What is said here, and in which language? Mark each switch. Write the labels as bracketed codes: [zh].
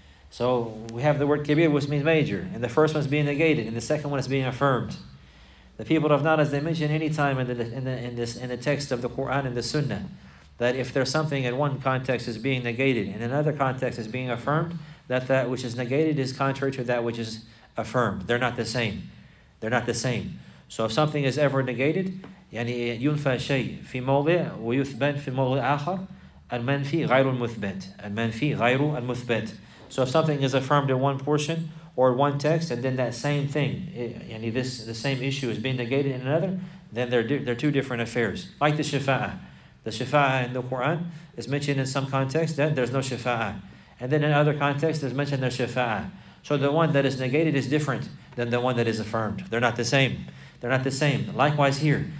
[en] So we have the word kabir, which means major. And the first one is being negated, and the second one is being affirmed. The people of not, as they mention any time in the text of the Quran and the Sunnah, that if there's something in one context is being negated, in another context is being affirmed, that which is negated is contrary to that which is affirmed. They're not the same. They're not the same. So if something is ever negated, [ar] يعني ينفى شيء في موضع ويثبت في موضع آخر المنفي غير المثبت المنفي غير المثبت. [en] So if something is affirmed in one portion or one text, and then that same thing, yani this the same issue is being negated in another, then they're two different affairs. Like the shafa'a. The shafa'a in the Quran is mentioned in some context that there's no shafa'a. And then in other contexts, it's mentioned there's shafa'a. So the one that is negated is different than the one that is affirmed. They're not the same. They're not the same. Likewise here.